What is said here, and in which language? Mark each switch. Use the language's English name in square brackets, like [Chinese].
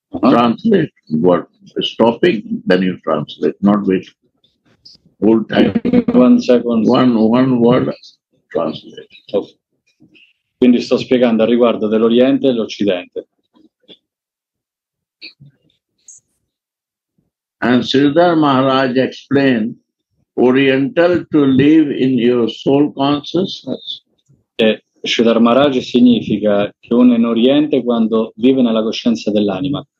[English] Translate what is stopping, then you translate, not with old time. One second. One word translate. Okay. [Italian] quindi sto spiegando al riguardo dell'Oriente e dell'Occidente. [English] And Sridhar Maharaj explained, Oriental to live in your soul consciousness. [Italian] E Sridhar Maharaj significa che uno è in Oriente quando vive nella coscienza dell'anima.